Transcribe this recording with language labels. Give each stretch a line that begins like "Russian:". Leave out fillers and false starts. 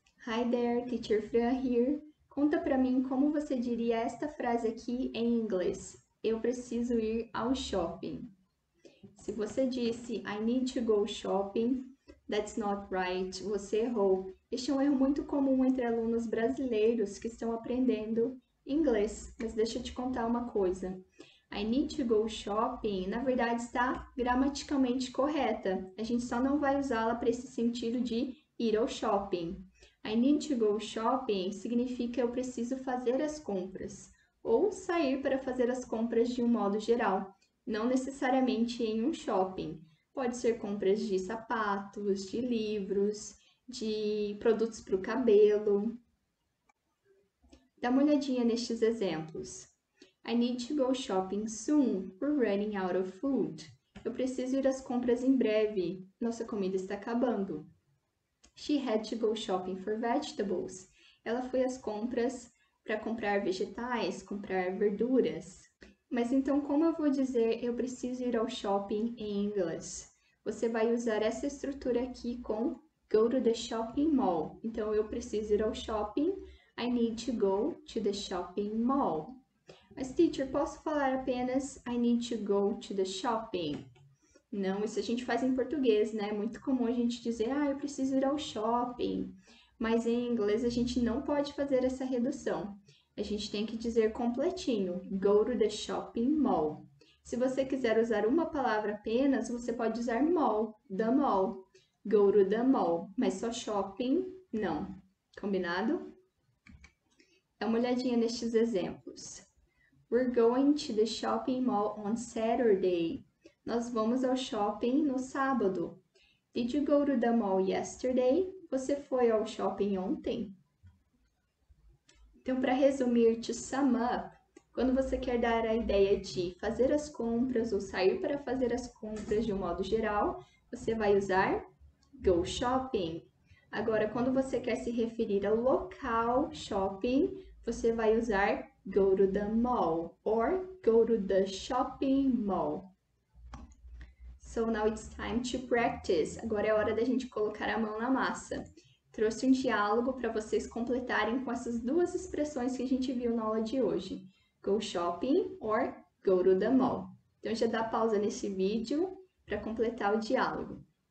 English: Hi there, teacher Fran here.
Portuguese: Conta para mim como você diria esta frase aqui em inglês. Eu preciso ir ao shopping. Se você disse
English: I need to go shopping, that's not right.
Portuguese: Você errou. Este é um erro muito comum entre alunos brasileiros que estão aprendendo inglês. Mas deixa eu te contar uma coisa.
English: I need to go shopping,
Portuguese: na verdade, está gramaticalmente correta. A gente só não vai usá-la para esse sentido de ir ao shopping.
English: I need to go shopping
Portuguese: significa eu preciso fazer as compras ou sair para fazer as compras de um modo geral, não necessariamente em um shopping. Pode ser compras de sapatos, de livros, de produtos para o cabelo. Dá uma olhadinha nestes exemplos.
English: I need to go shopping soon. We're running out of food.
Portuguese: Eu preciso ir às compras em breve. Nossa comida está acabando.
English: She had to go shopping for vegetables.
Portuguese: Ela foi às compras para comprar vegetais, comprar verduras. Mas então, como eu vou dizer eu preciso ir ao shopping em inglês? Você vai usar essa estrutura aqui com
English: go to the shopping mall.
Portuguese: Então, eu preciso ir ao shopping.
English: I need to go to the shopping mall.
Portuguese: Mas, teacher, posso falar apenas
English: I need to go to the shopping?
Portuguese: Não, isso a gente faz em português, né? É muito comum a gente dizer, ah, eu preciso ir ao shopping. Mas em inglês a gente não pode fazer essa redução. A gente tem que dizer completinho,
English: go to the shopping mall.
Portuguese: Se você quiser usar uma palavra apenas, você pode usar mall, the mall,
English: go to the mall.
Portuguese: Mas só shopping, não. Combinado? Dá uma olhadinha nestes exemplos.
English: We're going to the shopping mall on Saturday.
Portuguese: Nós vamos ao shopping no sábado.
English: Did you go to the mall yesterday?
Portuguese: Você foi ao shopping ontem? Então, para resumir,
English: to sum up,
Portuguese: quando você quer dar a ideia de fazer as compras ou sair para fazer as compras de um modo geral, você vai usar go shopping. Agora, quando você quer se referir ao local shopping, você vai usar
English: go to the mall or go to the shopping mall. So now it's time to practice.
Portuguese: Agora é hora da gente colocar a mão na massa. Trouxe um diálogo para vocês completarem com essas duas expressões que a gente viu na aula de hoje:
English: go shopping or go to the mall.
Portuguese: Então já dá pausa nesse vídeo para completar o diálogo.